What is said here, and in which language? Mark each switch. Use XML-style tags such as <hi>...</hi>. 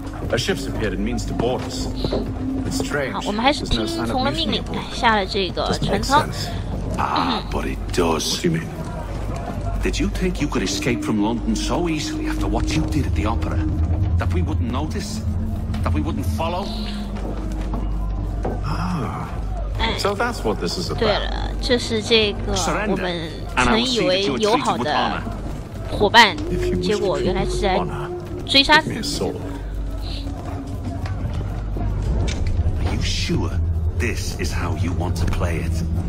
<en>A ship's appeared and means to board us. It's strange.</en> <zh>好，我们还是听从了命令下了这个船舱。</zh> <en>Ah, but it does seem itDid you think you could escape from London so easily after what you did at the opera? That we wouldn't notice? That we wouldn't follow? So that's what this is about.</en> <zh>对了，这是这个我们曾以为友好的伙伴，结果原来是来追杀自己。</zh> <en>Are you sure this is how you want to play it?</en>